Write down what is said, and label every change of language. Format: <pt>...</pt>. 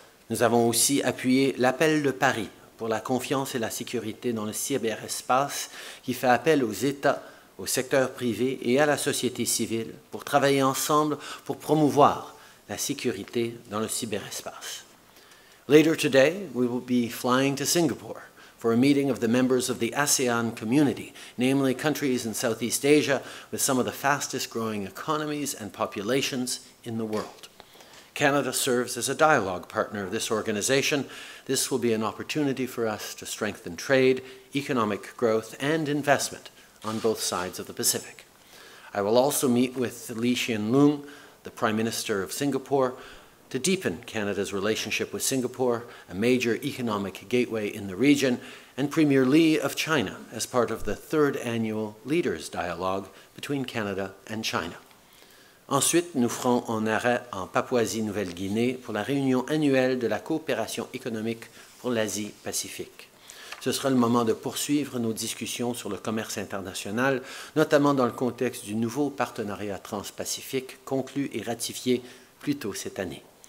<fr>Nous avons aussi appuyé l'appel de Paris pour la confiance et la sécurité dans le cyberespace, qui fait appel aux États, au secteur privé et à la société civile pour travailler ensemble pour promouvoir la sécurité dans le cyberespace.</fr> <en>Later today, we will be flying to Singapore for a meeting of the members of the ASEAN community, namely countries in Southeast Asia with some of the fastest growing economies and populations in the world. Canada serves as a dialogue partner of this organization. This will be an opportunity for us to strengthen trade, economic growth, and investment on both sides of the Pacific. I will also meet with Lee Hsien Loong, the Prime Minister of Singapore, to deepen Canada's relationship with Singapore, a major economic gateway in the region, and Premier Li of China as part of the third annual Leaders' Dialogue between Canada and China.</en> <fr>Ensuite, nous ferons un arrêt en Papouasie-Nouvelle-Guinée pour la réunion annuelle de la coopération économique pour l'Asie-Pacifique. Ce sera le moment de poursuivre nos discussions sur le commerce international, notamment dans le contexte du nouveau partenariat transpacifique conclu et ratifié plus tôt cette année.</fr>